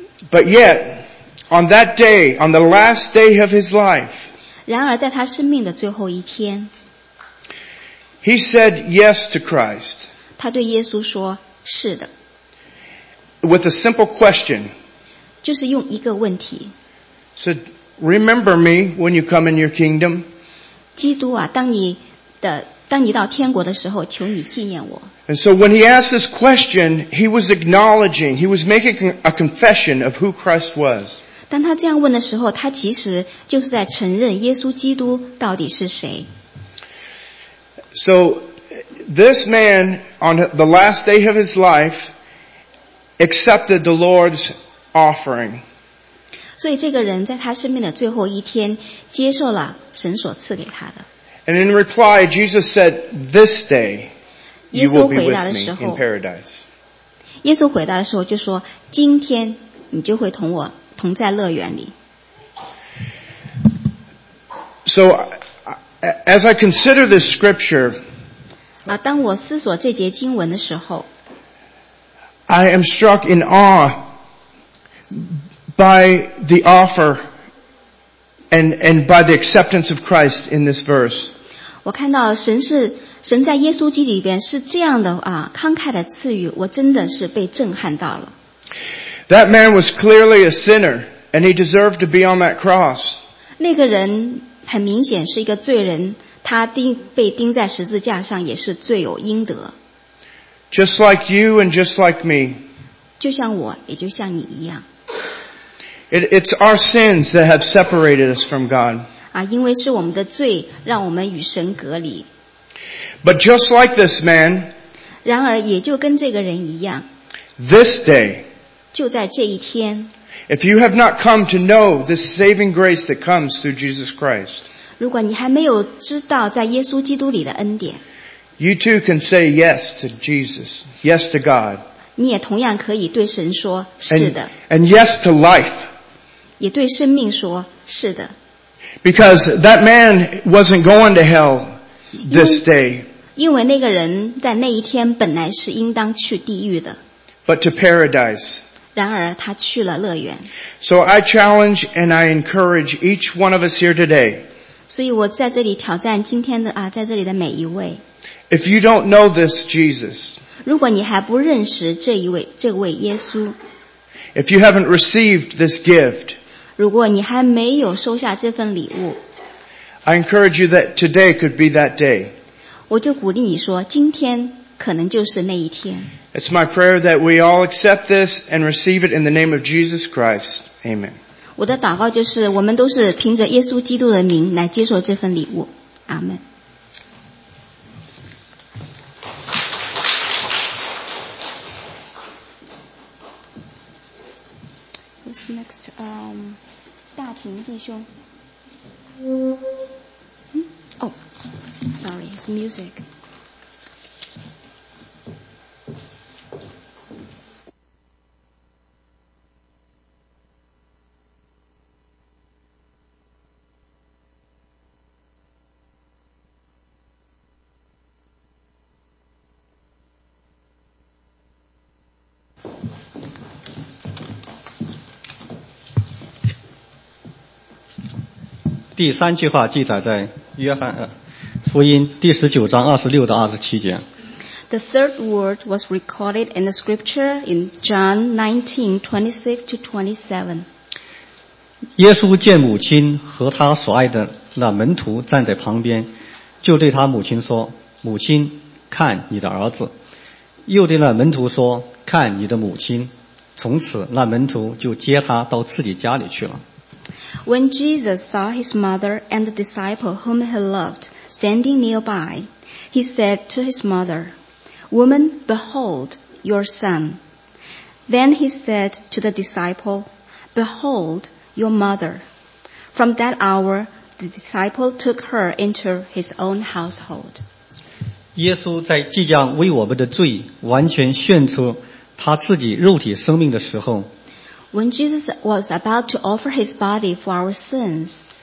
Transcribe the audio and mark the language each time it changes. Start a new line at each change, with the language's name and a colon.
English: But yet, on that day, on the last day of his life,
Chinese: 然而在他生命的最后一天,
English: he said yes to Christ.
Chinese: 他对耶稣说, 是的。
English: With a simple question.
Chinese: 就是用一个问题。
English: Said, remember me when you come in your kingdom.
Chinese: 基督啊,当你到天国的时候,求你纪念我。
English: And so when he asked this question, he was acknowledging, he was making a confession of who Christ was.
Chinese: 当他这样问的时候，他其实就是在承认耶稣基督到底是谁。
English: So this man, on the last day of his life, accepted the Lord's offering.
Chinese: 所以这个人在他生命的最后一天，接受了神所赐给他的。
English: And in reply, Jesus said, this day,You will be with me in paradise.
Chinese: 耶稣回答的时候就说，今天你就会同我同在乐园里。
English: So As I consider this scripture,
Chinese: 当我思索这节经文的时候，
English: I am struck in awe by the offer and by the acceptance of Christ in this verse.
Chinese: 我看到神在耶稣基督里边是这样的啊，慷慨的赐予，我真的是被震撼到了。
English: That man was clearly a sinner, and he deserved to be on that cross.
Chinese: 那个人很明显是一个罪人，他被钉在十字架上也是罪有应得。
English: Just like you and just like me.
Chinese: 就像我，也就像你一样。
English: It's our sins that have separated us from God.
Chinese: 啊，因为是我们的罪让我们与神隔离。
English: But just like this man,
Chinese: 然而也就跟这个人一样，
English: this day,
Chinese: 就在这一天，
English: if you have not come to know this saving grace that comes through Jesus Christ,
Chinese: 如果你还没有知道在耶稣基督里的恩典，
English: you too can say yes to Jesus, yes to God,
Chinese: 你也同样可以对神说是的，
English: and yes to life,
Chinese: 也对生命说是的，
English: because that man wasn't going to hell,This day.
Chinese: 因为那个人在那一天本来是应当去地狱的。
English: But to paradise.
Chinese: 然而他去了乐园。
English: So I challenge and I encourage each one of us here today.
Chinese: 所以我在这里挑战今天的啊，在这里的每一位。
English: If you don't know this Jesus.
Chinese: 如果你还不认识这位耶稣。
English: If you haven't received this gift.
Chinese: 如果你还没有收下这份礼物。
English: I encourage you that today could be that day.
Chinese: 我就鼓励你说，今天可能就是那一天。
English: It's my prayer that we all accept this and receive it in the name of Jesus Christ. Amen.
Chinese: 我的祷告就是，我们都是凭着耶稣基督的名来接受这份礼物。阿们。
English: Who's next?
Chinese: 大平弟兄。
English: Oh, sorry, it's music.
Chinese: 第三句话记载在约翰福音第十九章二十六到二十七节。
English: The third word was recorded in the scripture in John 19:26-27.
Chinese: 耶稣见母亲和他所爱的那门徒站在旁边，就对他母亲说：“母亲，看你的儿子。” 又对那门徒说：“看你的母亲。” 从此，那门徒就接他到自己家里去了。
English: When Jesus saw his mother and the disciple whom he loved standing nearby, he said to his mother, Woman, behold your son. Then he said to the disciple, Behold your mother. From that hour, the disciple took her into his own household.
Chinese: 耶稣在即将为我们的罪完全献出他自己肉体生命的时候，
English: When Jesus was about to offer his body for our sins,